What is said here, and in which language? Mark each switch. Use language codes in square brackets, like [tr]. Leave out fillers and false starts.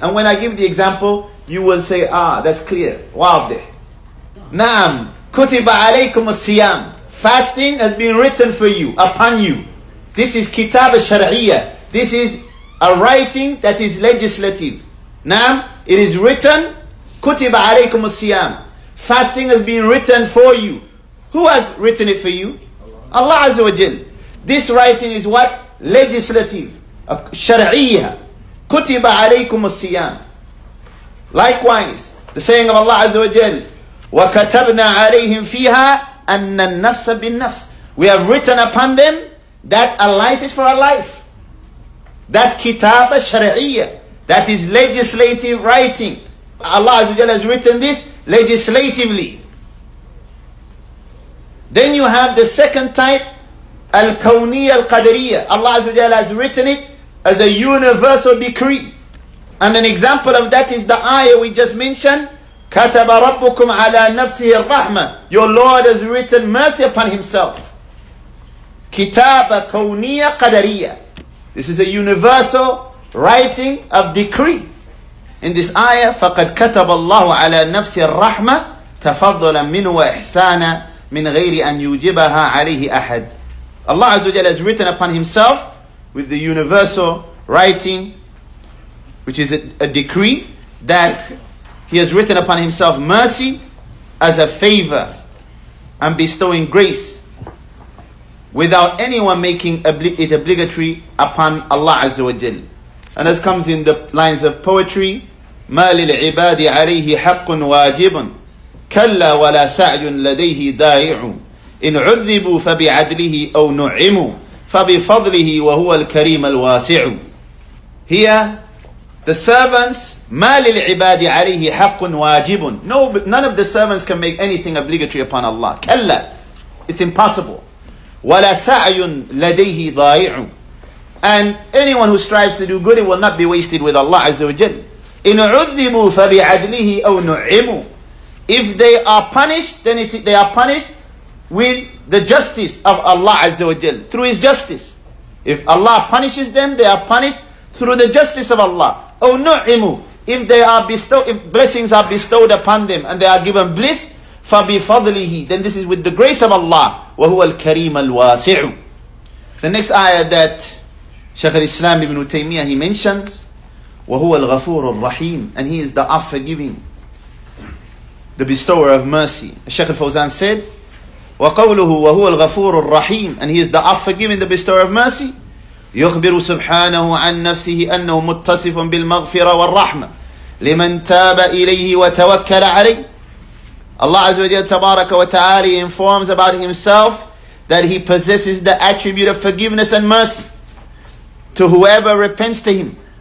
[en] And when I give the example, you will say, ah, that's clear. Wadih. Naam. [ar] كتب عليكم الصيام. [en] Fasting has been written for you, upon you. This is كتاب الشرعية. This is a writing that is legislative. نعم, it is written, [ar] كتب عليكم الصيام. [en] Fasting has been written for you. Who has written it for you? Allah Azza wa Jal. This writing is what? Legislative. شرعية. [ar] كتب عليكم الصيام. [en] Likewise, the saying of Allah Azza wa Jal, [ar] وكتبنا عليهم فيها أن النفس بالنفس. [en] We have written upon them that a life is for a life. That's كتاب الشرعية. That is legislative writing. Allah Azza wa Jal has written this legislatively. Then you have the second type, الكونية القدرية. Allah Azza wa Jal has written it as a universal decree. And an example of that is the ayah we just mentioned, [ar] كَتَبَ رَبُّكُمْ عَلَى نَفْسِهِ الرَّحْمَةِ. [en] Your Lord has written mercy upon Himself. [ar] كِتَابَ كَوْنِيَ قَدَرِيَ. [en] This is a universal writing of decree. [ar] In this ayah, فَقَدْ كَتَبَ اللَّهُ عَلَى نَفْسِهِ الرَّحْمَةِ تَفَضُّلًا مِنْهُ وَإِحْسَانًا مِنْ غَيْرِ أَنْ يُوجِبَهَا عَلَيْهِ أَحَدٍ. [en] Allah Azza wa Jalla has written upon Himself with the universal writing, which is a decree that He has written upon Himself mercy as a favor and bestowing grace without anyone making it obligatory upon Allah Azza wa Jal. [ar] And as comes in the lines of poetry, مَا لِلْعِبَادِ عَلَيْهِ حَقٌ وَاجِبٌ كَلَّا وَلَا سَعْيٌ لَدَيْهِ دَائِعٌ إِنْ عُذِّبُوا فَبِعَدْلِهِ أَوْ نُعِمُوا فَبِفَضْلِهِ وَهُوَ الْكَرِيمَ الْوَاسِعُ. [en] Here, the servants, [ar] مَا لِلْعِبَادِ عَلَيْهِ حَقٌ وَاجِبٌ. [en] No, none of the servants can make anything obligatory upon Allah. [ar] كَلَّا. [en] It's impossible. [ar] وَلَا سَعْيٌ لَدَيْهِ دَائِعٌ. [en] And anyone who strives to do good, it will not be wasted with Allah Azza wa Jal. [ar] إِنْ عُذِّبُوا فَبِعَدْلِهِ أَوْ نُعِمُوا. [en] If they are punished, then they are punished with the justice of Allah Azza wa Jal, through His justice. If Allah punishes them, they are punished through the justice of Allah. [ar] أَوْ نُعِمُوا. [en] If they are bestowed, if blessings are bestowed upon them and they are given bliss, فَبِفَضْلِهِ, then this is with the grace of Allah. [ar] وَهُوَ الْكَرِيمَ الْوَاسِعُ. [en] The next ayah that Shaykh al-Islam ibn Taymiyyah, he mentions, [ar] وَهُوَ الْغَفُورُ الرَّحِيمُ. [en] And He is the forgiving, the bestower of mercy. [ar] Shaykh al-Fawzan said, وَقَوْلُهُ وَهُوَ الْغَفُورُ الرَّحِيمُ. [en] And He is the forgiving, the bestower of mercy. [ar] يُخْبِرُ سُبْحَانَهُ عَنْ نَفْسِهِ أَنَّهُ مُتَّصِفٌ بِالْمَغْفِرَةِ وَالرَّحْمَةِ لِمَنْ تَابَ إِلَيْهِ وَتَوَكَّلَ عَلَيْهِ. [en] Allah Azza wa Jalla Tabaraka wa Ta'ala informs about Himself that He possesses the attribute of forgiveness and mercy to whoever repents to Him.